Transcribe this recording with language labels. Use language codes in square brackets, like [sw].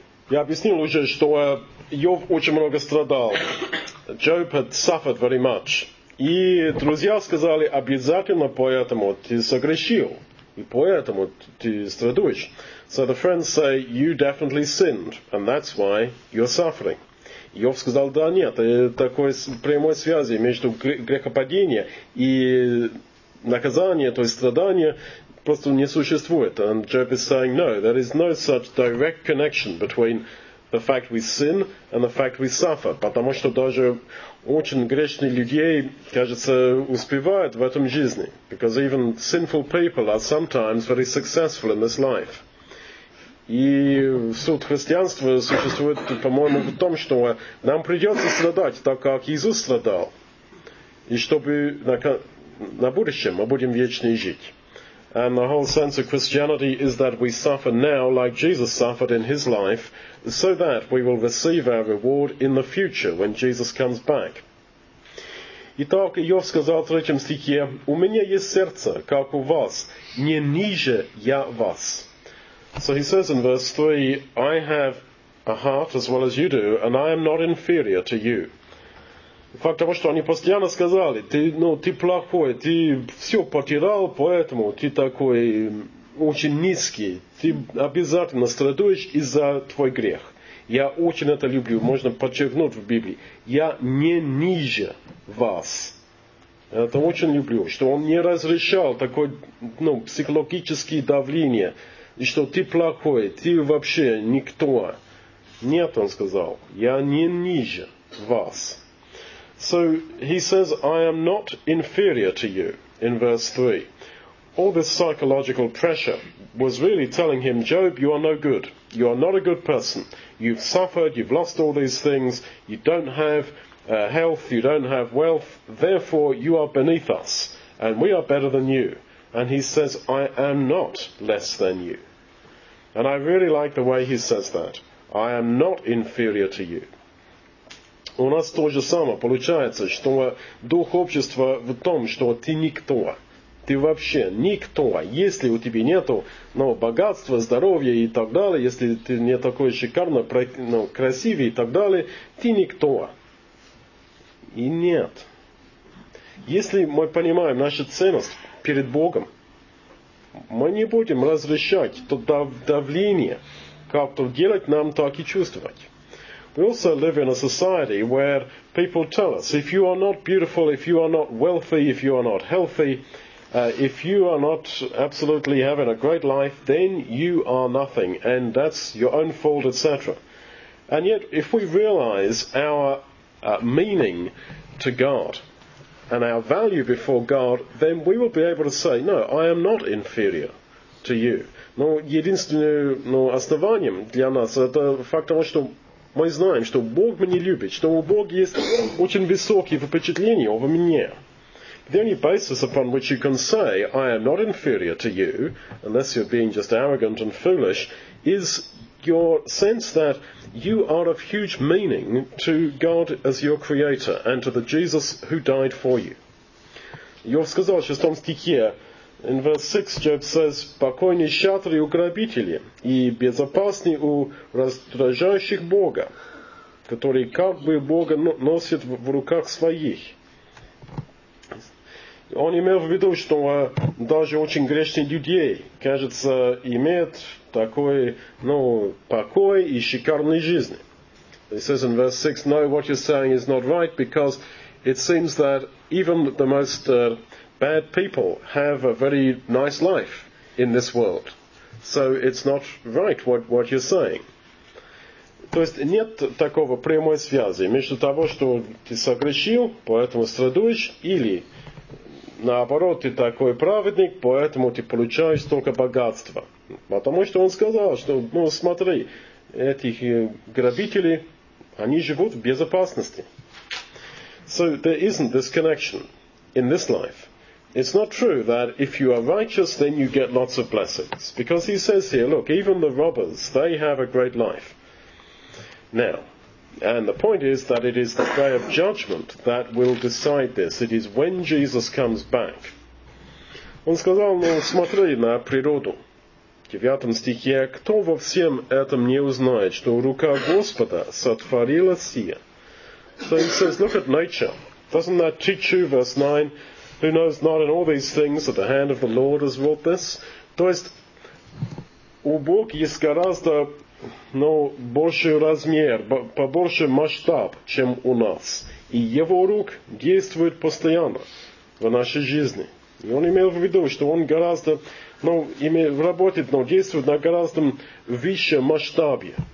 [ru] Я объяснил уже, что Йов очень много страдал. [en] Джеб had suffered very much. [ru] И друзья сказали, обязательно поэтому ты согрешил. И поэтому ты страдуешь. [en] So the friends say, you definitely sinned, and that's why you're suffering. [ru] Йов сказал, да, нет, такой прямой связи между грехопадением и наказанием, то есть страданием, просто не существует. [en] And Job is saying, no, there is no such direct connection between the fact we sin and the fact we suffer. [ru] Потому что даже очень грешные людей, кажется, успевают в этом жизни. [en] Because even sinful people are sometimes very successful in this life. [ru] И суд христианства существует, по-моему, в том, что нам придется страдать, так как Иисус страдал. И чтобы на будущем мы будем вечно жить. [en] And the whole sense of Christianity is that we suffer now like Jesus suffered in his life, so that we will receive our reward in the future when Jesus comes back. [ru] Итак, Иов сказал в третьем стихе, «У меня есть сердце, как у вас, не ниже я вас». [en] So he says in verse 3, I have a heart as well as you do, and I am not inferior to you. [ru] Факт того, что они постоянно сказали, ты плохой, ты все потерял, поэтому ты такой очень низкий, ты обязательно страдаешь из-за твой грех. Я очень это люблю, можно подчеркнуть в Библии. Я не ниже вас. Это очень люблю, что он не разрешал такое психологическое давление, что ты плохой, ты вообще никто. Нет, он сказал, я не ниже вас. [en] So he says, I am not inferior to you, in verse 3. All this psychological pressure was really telling him, Job, you are no good. You are not a good person. You've suffered, you've lost all these things, you don't have health, you don't have wealth, therefore you are beneath us, and we are better than you. And he says, I am not less than you. And I really like the way he says that. I am not inferior to you. [ru] У нас то же самое получается, что дух общества в том, что ты никто. Ты вообще никто. Если у тебя нет богатства, здоровья и так далее, если ты не такой шикарно красивый и так далее, ты никто. И нет. Если мы понимаем нашу ценность перед Богом, мы не будем разрешать то давление, как-то делать нам так и чувствовать. [en] We also live in a society where people tell us, if you are not beautiful, if you are not wealthy, if you are not healthy, if you are not absolutely having a great life, then you are nothing, and that's your own fault, etc. And yet, if we realize our meaning to God and our value before God, then we will be able to say, no, I am not inferior to you. [ru] Но единственное основанием для нас это факт того, что мы знаем, что Бог меня любит, что у Бога есть очень высокие впечатления обо мне. [en] The only basis upon which you can say, I am not inferior to you, unless you're being just arrogant and foolish, is your sense that you are of huge meaning to God as your creator and to the Jesus who died for you. [ru] Йов сказал в шестом стихе, [en] in verse 6, Job says, [ru] «Покойные шатры у грабителей и безопасны у раздражающих Бога, которые как бы Бога носят в руках своих». Он имел в виду, что даже очень грешные людей, кажется, имеют такой покой и шикарной жизни. [en] He says in verse 6, «No, what you're saying is not right, because it seems that even the most bad people have a very nice life in this world. So it's not right what you're saying». [ru] То есть нет такого прямой связи между того, что ты согрешил, поэтому страдуешь, или наоборот, ты такой праведник, поэтому ты получаешь столько богатства. Потому что он сказал, что смотри, этих грабителей, они живут в безопасности. [en] So there isn't this connection in this life. It's not true that if you are righteous, then you get lots of blessings. Because he says here, look, even the robbers, they have a great life. Now, and the point is that it is the day of judgment that will decide this. It is when Jesus comes back. [ru] Он сказал, смотри на природу. 9 стихе, кто во всем этом не узнает, что рука Господа сотворила сие? [en] So he says, look at nature. Doesn't that teach you, verse 9, who knows not in all these things that the hand of the Lord has wrought this? [ru] То есть, у Бога есть гораздо, ну, больший размер, побольше масштаб, чем у нас. И его рук действует постоянно в нашей жизни. И он имел в виду, что он гораздо, ну, работает, но действует на гораздо высшем масштабе.